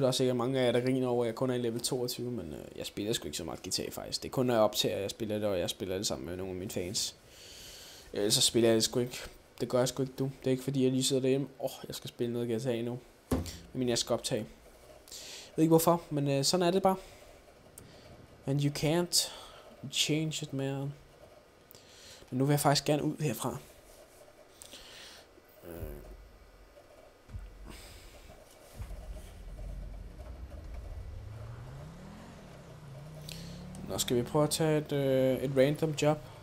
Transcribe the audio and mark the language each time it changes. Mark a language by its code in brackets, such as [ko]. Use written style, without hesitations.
[da] Der er sikkert mange af jer, der griner over, at jeg kun er i level 22. Men jeg spiller sgu ikke så meget guitar, faktisk. Det er kun, når jeg optager, at jeg spiller det, og jeg spiller det sammen med nogle af mine fans. Ellers så spiller jeg det sgu ikke. Det gør jeg sgu ikke, du. Det er ikke, fordi jeg lige sidder derhjemme. Jeg skal spille noget GTA nu. Men jeg skal optage. Jeg ved ikke hvorfor, men sådan er det bare. [en] And you can't change it, man. [da] Men nu vil jeg faktisk gerne ud herfra. Nå, skal vi prøve at tage et random job?